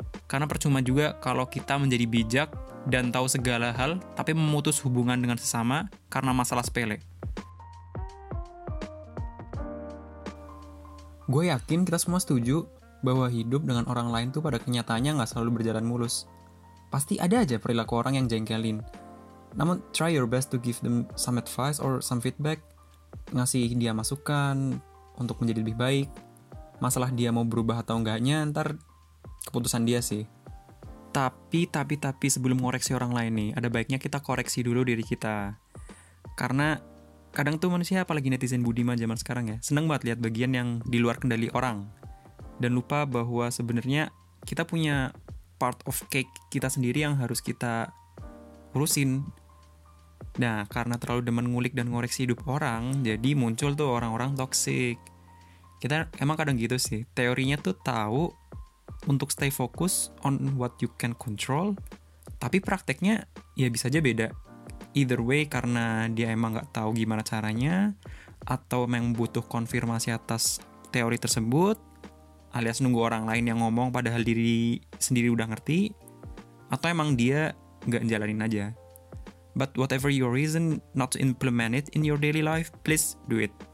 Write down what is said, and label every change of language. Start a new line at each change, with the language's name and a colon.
Indonesian: Karena percuma juga kalau kita menjadi bijak dan tahu segala hal, tapi memutus hubungan dengan sesama karena masalah sepele. Gue yakin kita semua setuju bahwa hidup dengan orang lain tuh pada kenyataannya nggak selalu berjalan mulus. Pasti ada aja perilaku orang yang jengkelin. Namun,
English: try your best to give them some advice or some feedback.
Indonesian: Ngasih dia masukan untuk menjadi lebih baik. Masalah dia mau berubah atau enggaknya, ntar keputusan dia sih. Tapi sebelum ngoreksi orang lain nih, ada baiknya kita koreksi dulu diri kita. Karena kadang tuh manusia, apalagi netizen budiman zaman sekarang ya, seneng banget lihat bagian yang di luar kendali orang. Dan lupa bahwa sebenarnya kita punya
English: part of cake
Indonesian: kita sendiri yang harus kita urusin. Nah, karena terlalu demen ngulik dan ngoreksi hidup orang, jadi muncul tuh orang-orang toksik. Kita emang kadang gitu sih, teorinya tuh tahu untuk
English: stay focus on what you can control,
Indonesian: tapi prakteknya ya bisa aja beda.
English: Either way,
Indonesian: karena dia emang gak tahu gimana caranya, atau emang butuh konfirmasi atas teori tersebut, alias nunggu orang lain yang ngomong padahal diri sendiri udah ngerti, atau emang dia gak jalanin aja.
English: But whatever your reason not to implement it in your daily life, please do it.